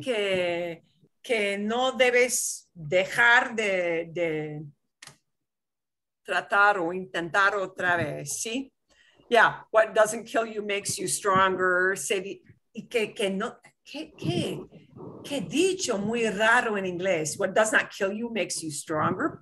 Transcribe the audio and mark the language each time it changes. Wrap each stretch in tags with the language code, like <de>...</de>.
<es>Que no debes dejar de tratar o intentar otra vez, ¿sí?</es> <en>Yeah, what doesn't kill you makes you stronger.</en> <es>Y que no, que dicho muy raro en inglés.</es> <en>What does not kill you makes you stronger.</en>